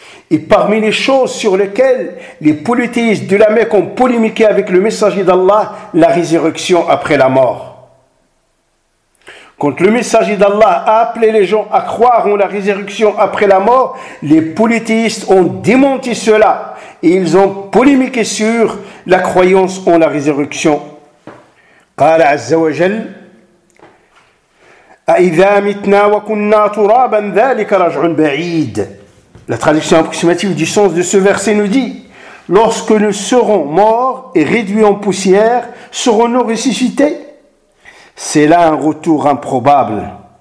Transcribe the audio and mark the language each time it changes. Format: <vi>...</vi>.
<fr>Et parmi les choses sur lesquelles les polythéistes de la Mecque ont polémiqué avec le messager d'Allah, la résurrection après la mort. Quand le messager d'Allah a appelé les gens à croire en la résurrection après la mort, les polythéistes ont démenti cela et ils ont polémiqué sur la croyance en la résurrection.</fr> <ar>قال عز وجل أَإِذَا مِتْنَا وَكُنَّا تُرَابًا ذَلِكَ رَجْعٌ بَعِيدٌ.</ar> <fr>La traduction approximative du sens de ce verset nous dit « Lorsque nous serons morts et réduits en poussière, serons-nous ressuscités ?» C'est là un retour improbable.</fr>